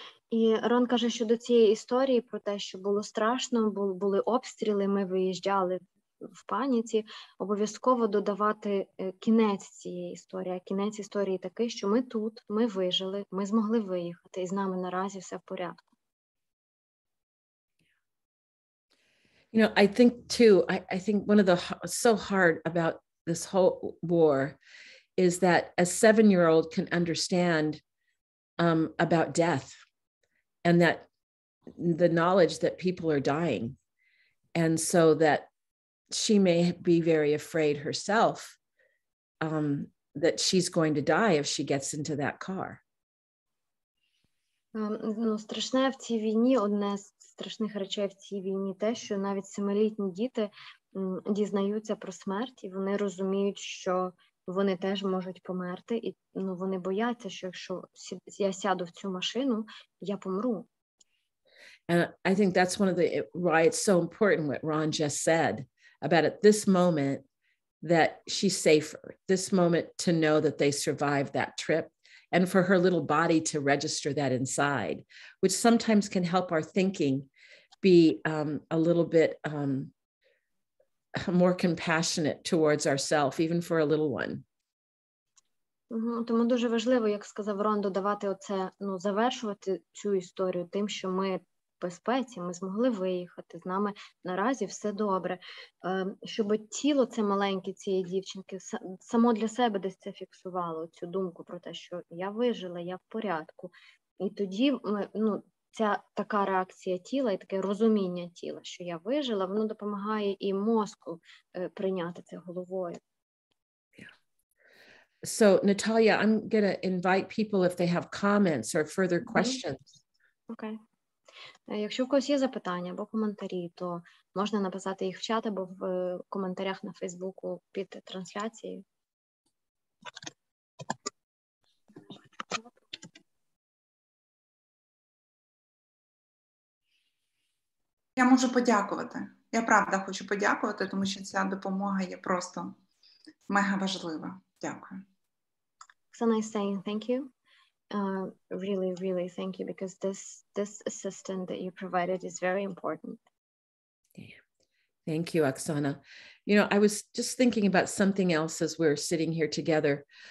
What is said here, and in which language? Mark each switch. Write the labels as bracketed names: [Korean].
[Ukrainian] І Рон каже, що до цієї історії про те, що було страшно, були обстріли, ми виїжджали в паніці, обов'язково додавати кінець цієї історії. Кінець історії такий, що ми тут, ми вижили, ми змогли виїхати, і з нами наразі все в порядку. [English] You know, I think too, I think one of the so hard about this whole war is that a seven-year-old can understand about death and that the knowledge that people are dying, and so that she may be very afraid herself that she's going to die if she gets into that car. [Ukrainian] Страшне в цій війні, одне з страшних речей в цій війні те, що навіть семилітні діти дізнаються про смерть, і вони розуміють, що вони теж можуть померти, і вони бояться, що якщо я сяду в цю машину, я помру. [English] And I think that's one of the why it's so important what Ron just said. About at this moment, that she's safer, this moment to know that they survived that trip, and for her little body to register that inside, which sometimes can help our thinking be a little bit more compassionate towards ourselves, even for a little one. [Ukrainian] Тому дуже важливо, як сказав Рондо, давати оце, ну, завершувати цю історію тим, що ми в безпеці, ми змогли виїхати, з нами наразі все добре. Щоб тіло це маленьке цієї дівчинки само для себе десь це фіксувало, цю думку про те, що я вижила, я в порядку. І тоді, ну, ця така реакція тіла і таке розуміння тіла, що я вижила, воно допомагає і мозку прийняти це головою. [English] So, Natalia, I'm going to invite people if they have comments or further questions. Okay. [Ukrainian] Якщо в когось є запитання або коментарі, то можна написати їх в чат або в коментарях на Фейсбуку під трансляцією. Я можу подякувати. Я правда хочу подякувати, тому що ця допомога є просто мега важлива. Дякую. [English] So nice saying thank you. Really, really thank you, because this assistant that you provided is very important. Thank you, Oksana. You know, I was just thinking about something else as we're sitting here together.